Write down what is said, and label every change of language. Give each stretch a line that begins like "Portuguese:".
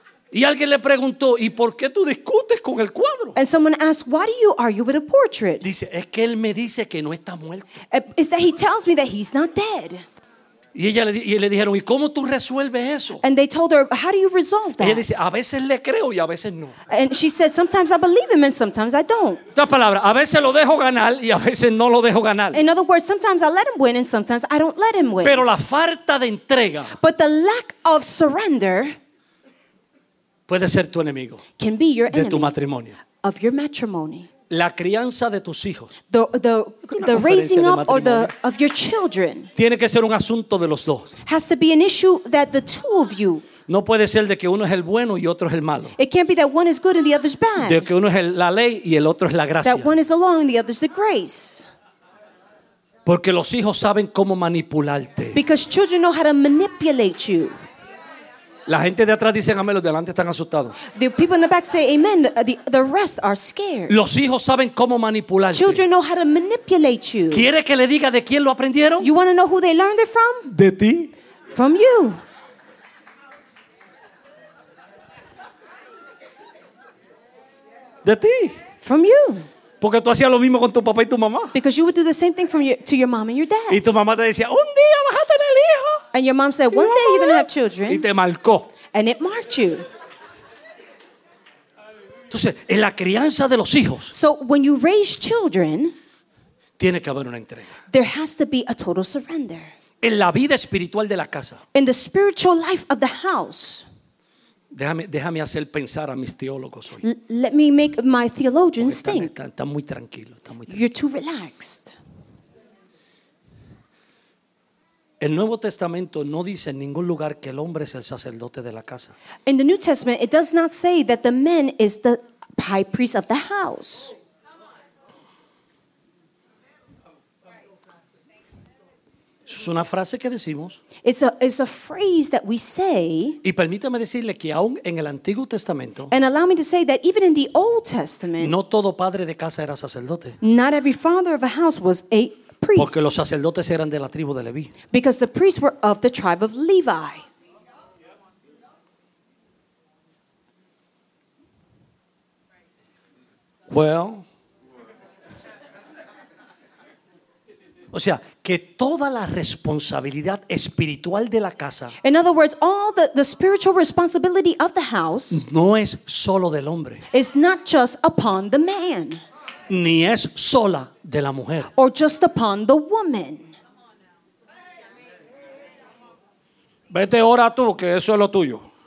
Spanish: Y alguien le preguntó, ¿y por qué tú discutes con el cuadro?
English: And someone asked, why do you argue with a portrait?
Spanish: Dice, es que él me dice que no está muerto.
English: It's that he tells me that he's not dead.
Spanish: Y ella le, y le dijeron, ¿y cómo tú resuelves eso?
English: And they told her, how do you resolve that?
Spanish: Y ella dice, a veces le creo y a veces no.
English: And she said, sometimes I believe him and sometimes I don't.
Spanish: En otras palabras, a veces lo dejo ganar y a veces no lo dejo ganar.
English: In other words, sometimes I let him win and sometimes I don't let him win.
Spanish: Pero la falta de entrega.
English: But the lack of surrender.
Spanish: Puede ser tu enemigo.
English: Can be your
Spanish: de
English: enemy
Spanish: tu matrimonio.
English: Of your matrimony.
Spanish: La crianza de tus hijos.
English: The raising up or the of your children.
Spanish: Tiene que ser un asunto de los dos.
English: Has to be an issue that the two of you.
Spanish: No puede ser de que uno es el bueno y otro es el malo.
English: It can't be that one is good and the other is bad.
Spanish: De que uno es la ley y el otro es la gracia.
English: That one is the law and the other is the grace.
Spanish: Porque los hijos saben cómo manipularte.
English: Because children know how to manipulate you.
Spanish: La gente de atrás dicen amén, los delante están asustados.
English: The people in the back say amen, the rest are scared.
Spanish: Los hijos saben cómo manipularte.
English: Children know how to manipulate you.
Spanish: ¿Quiere que le diga de quién lo aprendieron?
English: You want to know who they learned it from?
Spanish: De ti.
English: From you.
Spanish: De ti.
English: From you.
Spanish: Porque tú hacías lo mismo con tu papá y tu mamá.
English: Because you would do the same thing from to your mom and your dad.
Spanish: Y tu mamá te decía, un día vas a tener hijo.
English: And your mom said, one day you're going to have children.
Spanish: Y te marcó.
English: And it marked you.
Spanish: Entonces, en la crianza de los hijos.
English: So when you raise children.
Spanish: Tiene que haber una entrega.
English: There has to be a total surrender.
Spanish: En la vida espiritual de la casa.
English: In the spiritual life of the house.
Spanish: Déjame hacer pensar a mis teólogos hoy.
English: Let me make my theologians think.
Spanish: Está muy tranquilo, está muy tranquilo.
English: You're too relaxed.
Spanish: El Nuevo Testamento no dice en ningún lugar que el hombre es el sacerdote de la casa.
English: In the New Testament, it does not say that the man is the high priest of the house.
Spanish: Es una frase que decimos.
English: It's a phrase that we say.
Spanish: Y permítame decirle que aún en el Antiguo Testamento.
English: And allow me to say that even in the Old Testament.
Spanish: No todo padre de casa era sacerdote.
English: Not every father of a house was a priest.
Spanish: Porque los sacerdotes eran de la tribu de Leví.
English: Because the priests were of the tribe of Levi. Well.
Spanish: O sea, que toda la responsabilidad espiritual de la casa.
English: In other words, all the spiritual responsibility of the house.
Spanish: No es solo del hombre.
English: It's not just upon the man.
Spanish: Ni es sola de la mujer.
English: Or just upon the woman.
Spanish: Vete ora tú, que eso es lo tuyo.